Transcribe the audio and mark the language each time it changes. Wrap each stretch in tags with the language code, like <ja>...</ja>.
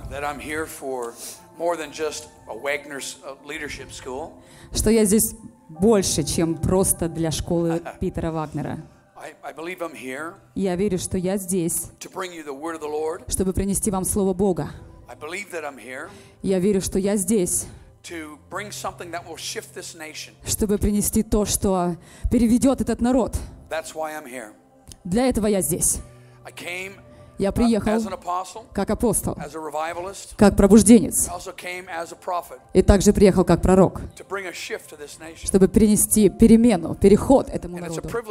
<en>That I'm here for more than just a Wagner's leadership school.</en> <ru>Что я здесь больше, чем просто для школы Питера Вагнера.</ru> <en>I believe I'm here.</en> <ru>Я верю, что я здесь.</ru> <en>To bring you the word of the Lord.</en> <ru>Чтобы принести вам слово Бога.</ru> <en>I believe that I'm here.</en> <ru>Я верю, что я здесь.</ru> <en>To bring something that will shift this nation.</en> <ru>Чтобы принести то, что переведет этот народ.</ru> <en>That's why I'm here.</en> <ru>Для этого я здесь.</ru> <en>I came.</en> <ru>Я приехал как апостол, как пробужденец, и также приехал как пророк, чтобы принести перемену, переход этому народу.</ru>